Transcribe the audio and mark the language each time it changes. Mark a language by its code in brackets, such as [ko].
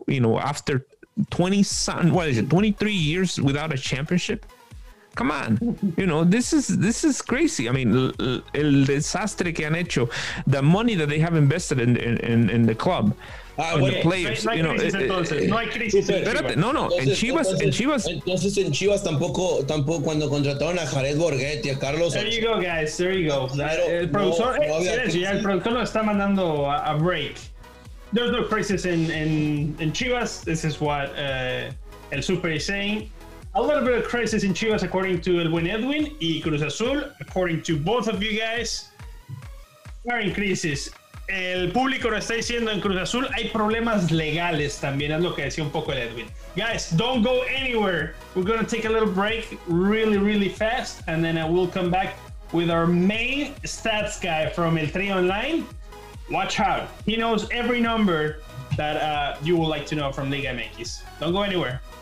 [en] You know, after 23 years without a championship. Come on, you know, this is crazy. I mean, [es] el desastre que han hecho, [en] the money that they have invested in the club, the players, no, you know. [es] Entonces en Chivas tampoco cuando contrataron a Jared Borghetti, a Carlos. [en] There you go, guys, there you go. [es] El productor lo está mandando a break. [en] There's no crisis in Chivas. This is what El Super is saying. A little bit of crisis in Chivas, according to El Buen Edwin, y Cruz Azul, according to both of you guys, are in crisis. [es] El público lo está diciendo en Cruz Azul, hay problemas legales también, es lo que decía un poco el Edwin. [en] Guys, don't go anywhere. We're going to take a little break really, really fast, and then I will come back with our main stats guy from El Tri Online. Watch out. He knows every number that you would like to know from Liga MX. Don't go anywhere.